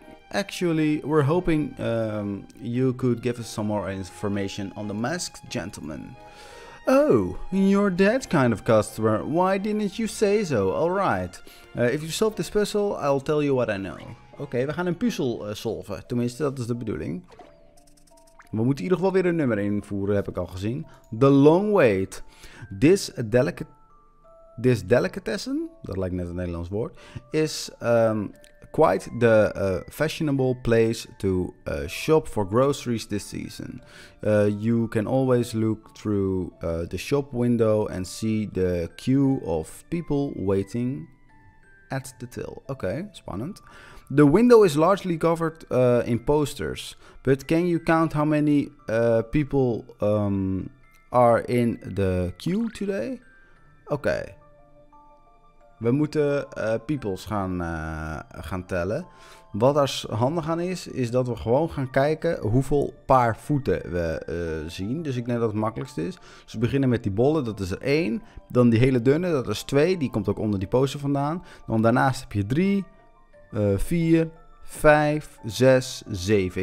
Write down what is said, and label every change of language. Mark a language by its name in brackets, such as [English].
[English] Actually, we're hoping you could give us some more information on the masked gentleman. Oh, you're that kind of customer. Why didn't you say so? Alright, if you solve this puzzle, I'll tell you what I know. [Dutch] Oké, we gaan een puzzel solven. Tenminste, dat is de bedoeling. We moeten in ieder geval weer een nummer invoeren, heb ik al gezien. [English] The long wait. This delicatessen, [Dutch] dat lijkt net een Nederlands woord, [English] is quite the fashionable place to shop for groceries this season. You can always look through the shop window and see the queue of people waiting at the till. Okay, spannend. The window is largely covered in posters, but can you count how many people are in the queue today? Okay. [Dutch] We moeten peoples gaan tellen. Wat daar handig aan is, is dat we gewoon gaan kijken hoeveel paar voeten we zien. Dus ik denk dat het makkelijkst is. Dus we beginnen met die bolle, dat is er 1. Dan die hele dunne, dat is 2. Die komt ook onder die poster vandaan. Dan daarnaast heb je 3, 4, 5, 6, 7.